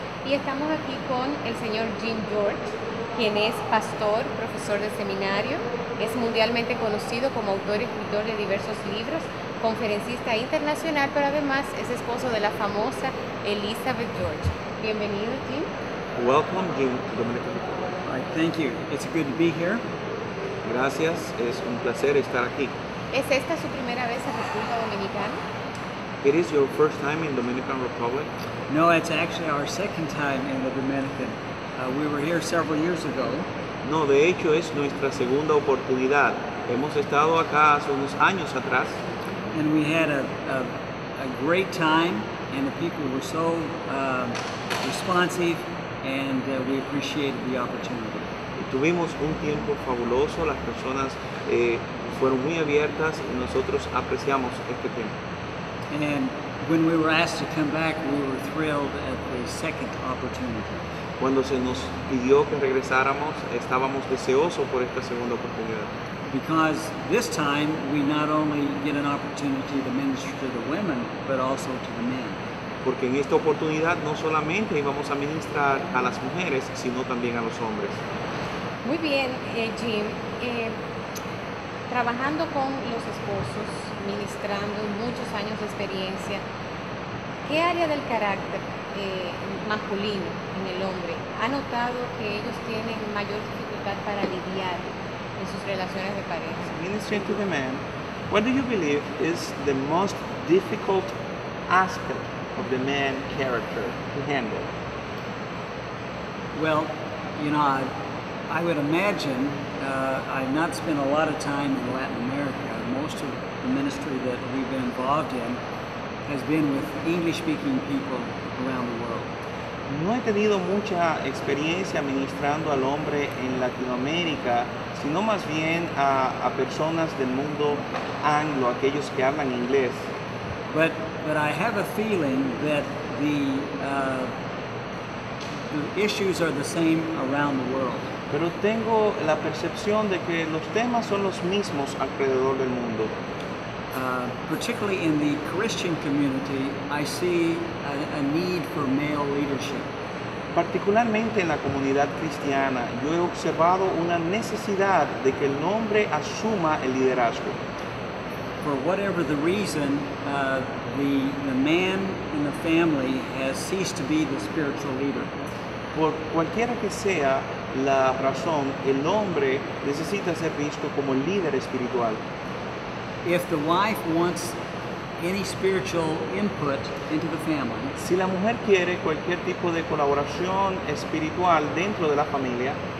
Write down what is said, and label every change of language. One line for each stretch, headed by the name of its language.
Spanish: Y estamos aquí con el señor Jim George, quien es pastor, profesor de seminario, es mundialmente conocido como autor y escritor de diversos libros, conferencista internacional, pero además es esposo de la famosa Elizabeth George. Bienvenido, Jim.
English: Welcome, Jim, to Dominican Republic. Thank you. It's good to be here.
Spanish: Gracias. Es un placer estar aquí. ¿Es esta su primera vez en República Dominicana?
English: It is your first time in Dominican Republic? No, it's actually our second time in the Dominican. We were here several years ago.
Spanish: No, de hecho es nuestra segunda oportunidad. Hemos estado acá hace unos años atrás.
English: And we had a great time, and the people were so responsive. And we appreciate the opportunity.
Spanish: Tuvimos un tiempo fabuloso. Las personas fueron muy abiertas y nosotros apreciamos este tiempo.
English: And when we were asked to come back, we were thrilled at the second opportunity.
Spanish: Cuando se nos pidió que regresáramos, estábamos deseosos por esta segunda oportunidad.
English: Because this time we not only get an opportunity to minister to the women, but also to the men.
Spanish: Porque en esta oportunidad no solamente íbamos a ministrar a las mujeres, sino también a los hombres. Muy bien, Jim. Trabajando con los esposos, ministrando muchos años de experiencia, ¿qué área del carácter masculino en el hombre ha notado que ellos tienen mayor dificultad para lidiar en sus relaciones de pareja?
English: Ministering to the man, what do you believe is the most difficult aspect of the man character to handle? Well, you know, I would imagine, I've not spent a lot of time in Latin America. Most of the ministry that we've been involved in has been with English-speaking people around the world.
Spanish: No he tenido mucha experiencia ministrando al hombre en Latinoamérica, sino más bien a personas del mundo anglo, aquellos que hablan inglés.
English: But I have a feeling that the issues are the same around the world.
Spanish: Pero tengo la percepción de que los temas son los mismos alrededor del mundo.
English: Particularly in the Christian community, I see a need for male leadership.
Spanish: Particularmente en la comunidad cristiana, yo he observado una necesidad de que el hombre asuma el liderazgo.
English: For whatever the reason, the man in the family has ceased to be the spiritual leader.
Spanish: Por cualquiera que sea la razón, el hombre necesita ser visto como líder espiritual.
English: If the wife wants any spiritual input into the family,
Spanish: si la mujer quiere cualquier tipo de colaboración espiritual dentro de la familia,